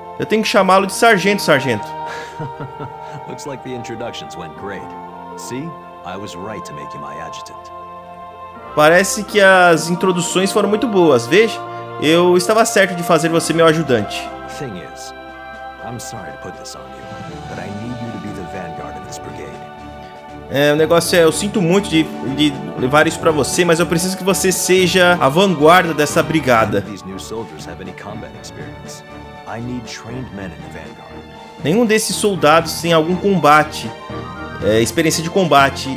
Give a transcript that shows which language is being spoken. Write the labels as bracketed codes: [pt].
[pt] Eu tenho que chamá-lo de sargento, sargento. [en] Looks like the introductions went great. See? I was right to make you my adjutant. [pt] Parece que as introduções foram muito boas, veja. Eu estava certo de fazer você meu ajudante. [en] Thing is, I'm sorry to put this on you, but I need you to be the vanguard of this brigade. [pt] O negócio é, eu sinto muito de levar isso para você, mas eu preciso que você seja a vanguarda dessa brigada. [en] These new soldiers have any combat experience? I need trained men in the Vanguard. [pt] Nenhum desses soldados tem algum combate, experiência de combate.